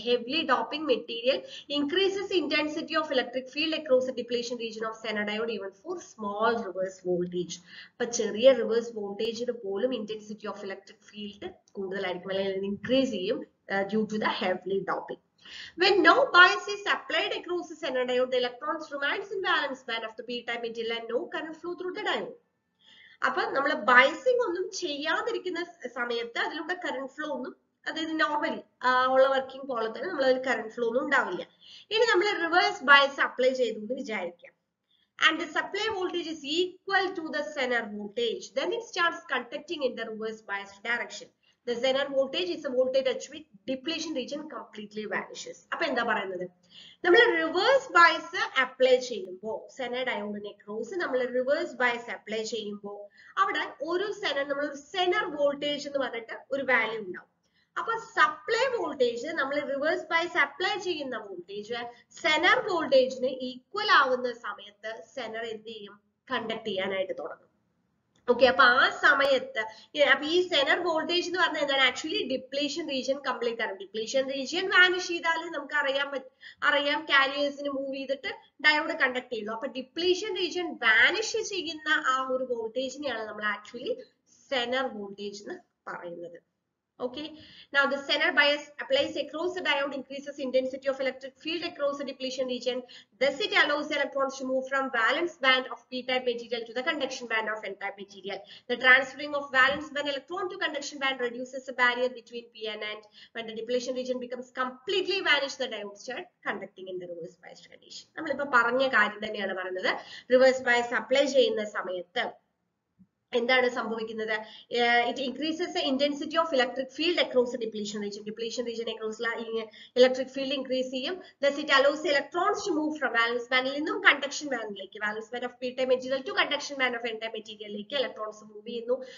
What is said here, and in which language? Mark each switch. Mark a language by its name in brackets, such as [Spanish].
[English] Heavily doping material increases intensity of electric field across the depletion region of Zener diode even for small reverse voltage. [Malayalam] അപ്പൊ ചെറിയ reverse വോൾട്ടേജിന് പോലും [English] intensity of electric field [Malayalam] കൂടുതലായിരിക്കും, അല്ലെങ്കിൽ increase ചെയ്യും [English] Due to the heavily doping. When no bias is applied across the Zener diode, the electrons remains in valence band of the p-type material and no current flow through the diode. [Malayalam] അപ്പൊ നമ്മൾ biasing ഒന്നും ചെയ്യാതിരിക്കുന്ന സമയത്ത് അതിലൂടെ current flow ഒന്നും, അതായത് normally ഉള്ള working പോലെ തന്നെ നമ്മൾ അതിൽ കറന്റ് ഫ്ലോ ഒന്നും ഉണ്ടാവില്ല. ഇനി നമ്മൾ റിവേഴ്സ് ബയസ് അപ്ലൈ ചെയ്തു എന്ന് വിചാരിക്കാം. [English] And the supply voltage is equal to the Zener voltage, then it starts conducting in the reverse biased direction. The Zener voltage is a voltage at which depletion region completely vanishes. [Malayalam] അപ്പോൾ എന്താ പറയുന്നത്, നമ്മൾ reverse bias apply ചെയ്യുമ്പോൾ Senna ഡയോഡിനെ cross നമ്മൾ reverse bias apply ചെയ്യുമ്പോൾ അവിടെ ഒരു Senna നമ്മൾ ഒരു സെനർ വോൾട്ടേജ് എന്ന് പറഞ്ഞിട്ട് ഒരു വാല്യൂ ഉണ്ടാവും. അപ്പൊ സപ്ലൈ വോൾട്ടേജ് നമ്മൾ റിവേഴ്സ് ബയസ് അപ്ലൈ ചെയ്യുന്ന വോൾട്ടേജ് സെനർ വോൾട്ടേജിന് ഈക്വൽ ആവുന്ന സമയത്ത് സെനർ എന്ത് ചെയ്യും, കണ്ടക്ട് ചെയ്യാനായിട്ട് തുടങ്ങും. ഓക്കെ, അപ്പൊ ആ സമയത്ത്, അപ്പൊ ഈ സെനർ വോൾട്ടേജ് എന്ന് പറഞ്ഞാൽ എന്താണ്, ആക്ച്വലി ഡിപ്ലീഷൻ റീജിയൻ കംപ്ലീറ്റ് ആണ്. ഡിപ്ലീഷൻ റീജിയൻ വാനിഷ് ചെയ്താലും നമുക്ക് അറിയാം കാരിയേഴ്സിന് മൂവ് ചെയ്തിട്ട് ഡയോഡ് കണ്ടക്ട് ചെയ്തു. അപ്പൊ ഡിപ്ലീഷൻ റീജിയൻ വാനിഷ് ചെയ്യുന്ന ആ ഒരു വോൾട്ടേജിനെയാണ് നമ്മൾ actually Zener voltage nu parayunnathu. [English] Okay, now the Zener bias applies across the diode, increases intensity of electric field across the depletion region. Thus, it allows electrons to move from valence band of p-type material to the conduction band of n-type material. The transferring of valence band electron to conduction band reduces the barrier between p and n. When the depletion region becomes completely vanished, the diodes start conducting in the reverse biased condition. [Malayalam] നമ്മൾ ഇപ്പോൾ പറഞ്ഞ കാര്യം തന്നെയാണ് പറയുന്നത്. Reverse bias apply ചെയ്യുന്ന സമയത്ത് എന്താണ് സംഭവിക്കുന്നത്? [English] It increases the intensity of electric field across depletion region. [Malayalam] Depletion region across electric field increase ചെയ്യും. [English] thus it allows electrons to move from [Malayalam] വാലൻസ് ബാൻഡിൽ നിന്നും conduction ബാൻഡിലേക്ക്, [English] valence band of P type material to conduction band of N type [Malayalam] മെറ്റീരിയലിലേക്ക് electrons move ചെയ്യുന്നു.